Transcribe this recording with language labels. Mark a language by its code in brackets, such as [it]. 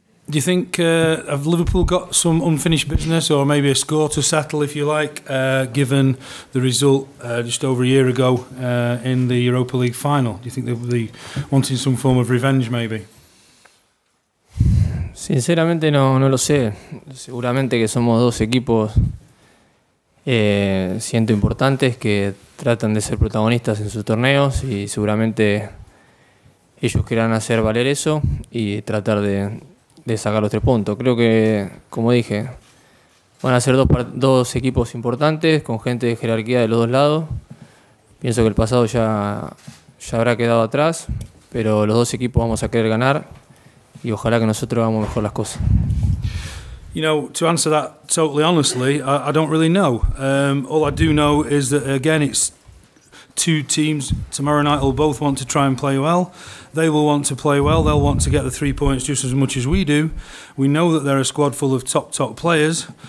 [en] Do you think have Liverpool got some unfinished business or maybe a score to settle, if you like, given the result just over a year ago in the Europa League final? Do you think they'll be wanting some form of revenge, maybe? [es] Sinceramente, no lo sé. Seguramente que somos dos equipos siento importantes que tratan de ser protagonistas en sus torneos y seguramente ellos quieran hacer valer eso y tratar de sacar los tres puntos. Creo que, como dije, Van a ser dos equipos importantes, con gente de jerarquía de los dos lados. Pienso que el pasado ya habrá quedado atrás, pero los dos equipos vamos a querer ganar y ojalá que nosotros hagamos mejor las cosas. [en] You know, to answer that totally honestly, I don't really know. All I do know is that, again, it's two teams. Tomorrow night will both want to try and play well. They will want to play well. They'll want to get the 3 points just as much as we do. We know that they're a squad full of top players.